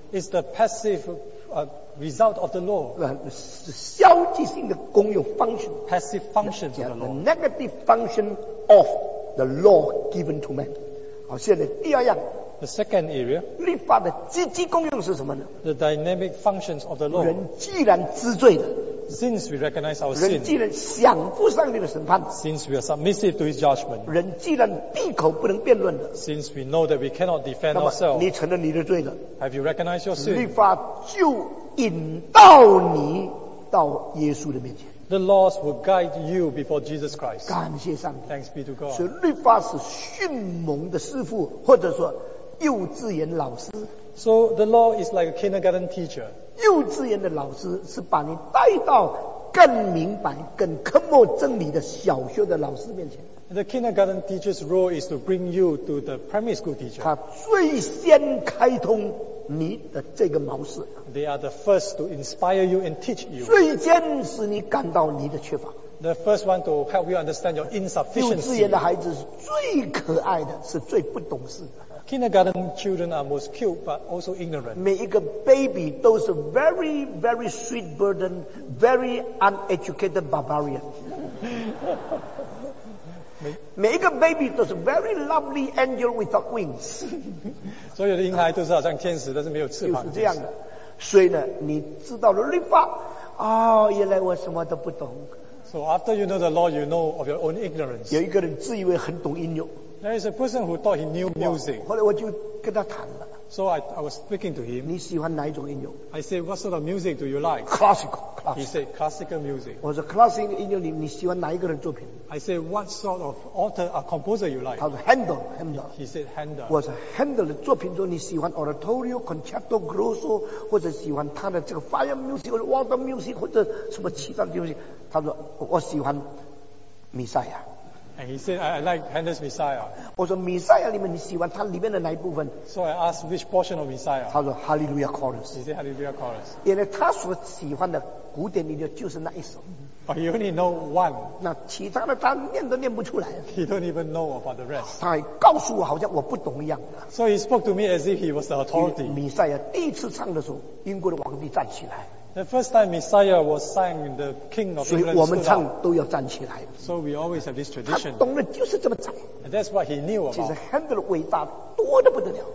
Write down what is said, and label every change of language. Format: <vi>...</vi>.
<en>It's the passive result of the law.</en> <zh>消极性的功用 function.</zh> <en>Passive function of the law. Negative function of the law given to man.</en> <zh>好，现在第二样。</zh> <en>The second area.</en> <zh>律法的积极功用是什么呢？</zh> <en>The dynamic functions of the law.</en> <zh>人既然知罪了。</zh> <en>Since we recognize our sin,</en> <zh>人既然降服上帝的审判,</zh> <en>since we are submissive to his judgment,</en> <zh>人既然闭口不能辩论,</zh> <en>since we know that we cannot defend ourselves,</en> <zh>你承认你的罪了,</zh> <en>have you recognized your sin?</en> <zh>律法就引导你到耶稣的面前。</zh> <en>The laws will guide you before Jesus Christ.</en> <zh>感谢上帝。</zh> <en>Thanks be to God.</en> <zh>所以律法是迅猛的师父，或者说幼稚园老师。</zh> <en>So the law is like a kindergarten teacher.</en> <zh>幼稚园的老师是把你带到更明白、更科目真理的小学的老师面前。</zh> <en>The kindergarten teacher's role is to bring you to the primary school teacher.</en> <zh>他最先开通你的这个模式。</zh> <en>They are the first to inspire you and teach you.</en> <zh>最先使你感到你的缺乏。</zh> <en>The first one to help you understand your insufficiency.</en> <zh>幼稚园的孩子是最可爱的，是最不懂事的。</zh> <en>Kindergarten children are most cute but also ignorant.</en> <zh>每一个</zh> <en>baby</en> <zh>都是</zh> <en>very very sweet burden, very uneducated barbarian.</en> <zh>每一个</zh> <en>baby</en> <zh>都是</zh> <en>very lovely angel without wings.</en> <zh>所有的婴孩都是好像天使，但是没有翅膀。就是这样的。所以呢，你知道了律法，哦，原来我什么都不懂。</zh> <en>So after you know the law, you know of your own ignorance.</en> <zh>有一个人自以为很懂音乐。</zh> <en>There is a person who thought he knew music.</en> <zh>后来我就跟他谈了。</zh> <en>So I was speaking to him.</en> <zh>你喜欢哪一种音乐？</zh> <en>I said, what sort of music do you like? Classical. Classical. He said, classical music.</en> <zh>我说 classical 音乐里你喜欢哪一个人作品？</zh> <en>I said, what sort of author or composer you like?</en> <zh>他说 Handel.</zh> <en>He said, Handel.</en> <zh>我说 Handel 的作品中你喜欢</zh> <en>oratorio, concerto, grosso,</en> <zh>或者喜欢他的这个 fire music, 或者 water music, 或者什么其他的东西。他说我喜欢弥赛亚。</zh> <en>And he said, I like Handel's Messiah.</en> <zh>我说弥赛亚里面你喜欢它里面的哪一部分？</zh> <en>So I asked which portion of Messiah.</en> <zh>他说 Hallelujah Chorus.</zh> <en>He said Hallelujah Chorus.</en> <zh>因为他所喜欢的古典音乐就是那一首。</zh> <en>But he only know one.</en> <zh>那其他的他念都念不出来。</zh> <en>He don't even know about the rest.</en> <zh>他还告诉我好像我不懂一样。</zh> <en>So he spoke to me as if he was the authority.</en> <zh>弥赛亚第一次唱的时候，英国的皇帝站起来。</zh> <en>The first time Messiah was sang, the King of England.</en> <zh>所以我们唱都要站起来。</zh> <en>So we always have this tradition.</en> <zh>他懂的就是这么唱。</zh> <en>And that's what he knew about.</en> <zh>其实 Handel 伟大多得不得了。</zh>